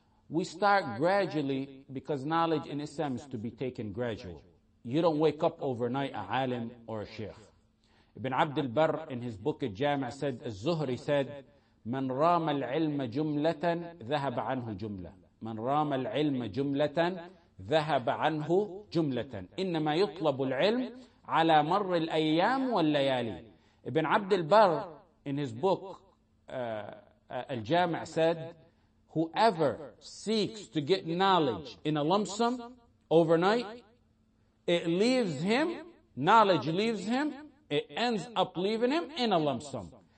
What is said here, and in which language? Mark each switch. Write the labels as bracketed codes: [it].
[en] We start gradually, because knowledge in Islam is to be taken gradually. You don't wake up overnight a alim or a sheikh. Ibn Abd al-Barr, in his book Al-Jami', said, Al-Zuhri said, [ar] من رام العلم جملة ذهب عنه جملة. من رام العلم جملة ذهب عنه جملة. إنما يطلب العلم على مر الأيام والليالي. [en] Ibn Abd al-Barr, in his book Al-Jami', said, whoever seeks to get knowledge in a lump sum overnight, it leaves him, knowledge leaves him, it ends up leaving him in a lump sum.